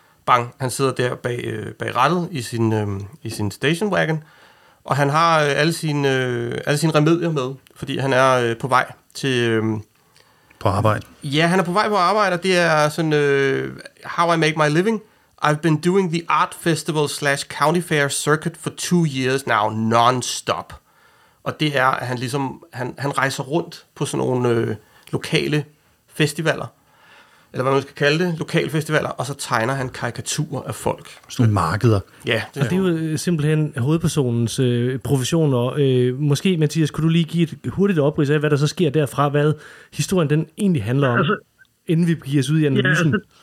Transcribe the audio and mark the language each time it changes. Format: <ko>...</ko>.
<da>Bang, han sidder der bag rattet i sin station wagon, og han har alle sine remedier med, fordi han er på vej til... på arbejde. Ja, han er på vej på arbejde, og det er sådan,</da> <en>how I make my living. I've been doing the art festival / county fair circuit for 2 years now, non-stop.</en> <da>Og det er, at han ligesom, han rejser rundt på sådan nogle lokale festivaler, eller hvad man skal kalde det, lokale festivaler, og så tegner han karikaturer af folk. Sådan nogle markeder. Ja. Og det er jo simpelthen hovedpersonens profession, og måske, Mathias, kunne du lige give et hurtigt oprids af, hvad der så sker derfra, hvad historien den egentlig handler om, altså, inden vi giver os ud i analysen?</da>